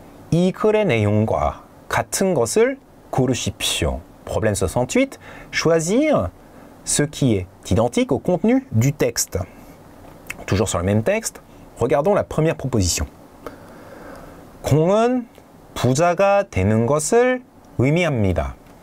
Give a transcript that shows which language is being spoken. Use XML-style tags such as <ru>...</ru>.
<ko>이 글의 내용과 같은 것을 고르십시오.</ko> <fr>Problème 68. Choisir ce qui est identique au contenu du texte. Toujours sur le même texte, regardons la première proposition.</fr> <ko>공은 부자가 되는 것을 의미합니다.</ko>